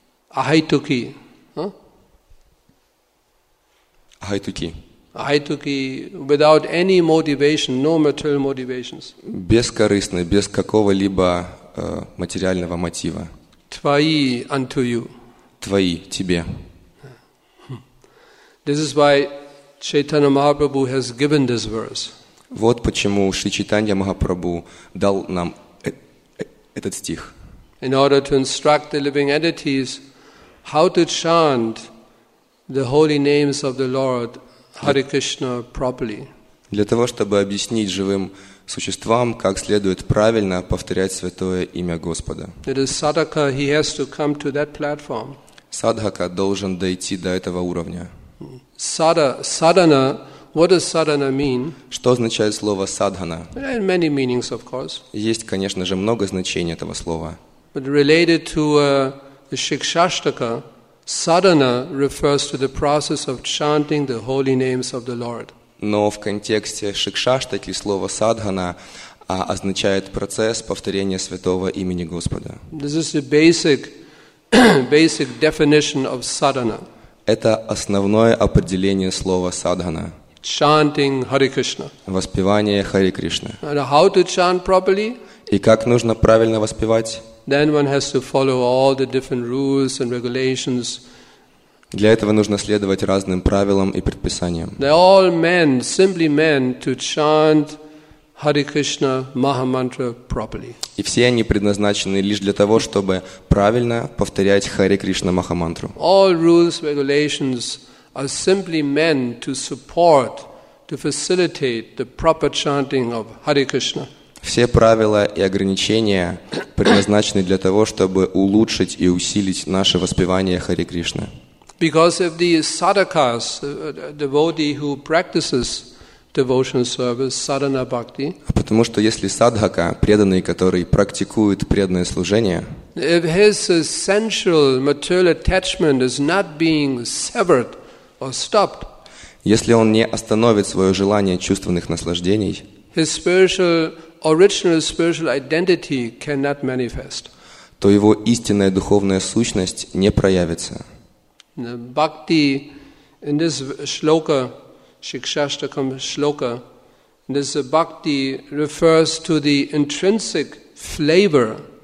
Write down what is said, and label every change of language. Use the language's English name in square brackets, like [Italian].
[Sanskrit] Ахайтуки. Ахайтуки. [English] Ахайтуки without any motivation, no material motivations. [Russian] Бескорыстно, без какого-либо материального мотива. Твои [English] unto you. [Russian] Твои тебе. [English] This is why Chaitanya Mahaprabhu has given this verse. [Russian] Вот почему Шри Чайтанья Махапрабху дал нам этот стих. [English] In order to instruct the living entities how to chant the holy names of the Lord Hare Krishna properly. [Russian] Для того, чтобы объяснить живым существам, как следует правильно повторять святое имя Господа. [English] It is sadhaka, he has to come to that platform. [Russian] Садхака должен дойти до этого уровня. [English] Sadhana, what does sadhana mean? [Russian] Что означает слово садхана? [English] There are many meanings, of course. [Russian] Есть, конечно же, много значений этого слова. [English] But related to the Shikshashtaka, sadhana refers to the process of chanting the holy names of the Lord. [Russian] Но в контексте Шикшаштаки слово садхана означает процесс повторения святого имени Господа. [English] This is the basic definition of sadhana. [Russian] Это основное определение слова садхана. [English] Chanting Hare Krishna. [Russian] Воспевание Хари Кришны. [English] And how to chant properly? [Russian] И как нужно правильно воспевать? [English] Then one has to follow all the different rules and regulations. [Russian] Для этого нужно следовать разным правилам и предписаниям. [English] They are all men, simply men, to chant Hare Krishna Maha Mantra properly. [Russian] И все они предназначены лишь для того, чтобы правильно повторять Hare Krishna Maha Mantra. [English] All rules, regulations are simply men to support, to facilitate the proper chanting of Hare Krishna. [Russian] Все правила и ограничения предназначены для того, чтобы улучшить и усилить наше воспевание Хари Кришны. [English] Because if the sadhakas, the devotee who practices devotional service, sadhana bhakti, [Russian] потому что если садхака, преданный, который практикует преданное служение, [English] if his essential material attachment is not being severed or stopped, [Russian] если он не остановит свое желание чувственных наслаждений, [English] his spiritual original spiritual identity cannot manifest. [Russian] То его истинная духовная сущность не проявится. [English] Bhakti in this shloka, Shikshashtakam shloka, this bhakti refers to the intrinsic flavor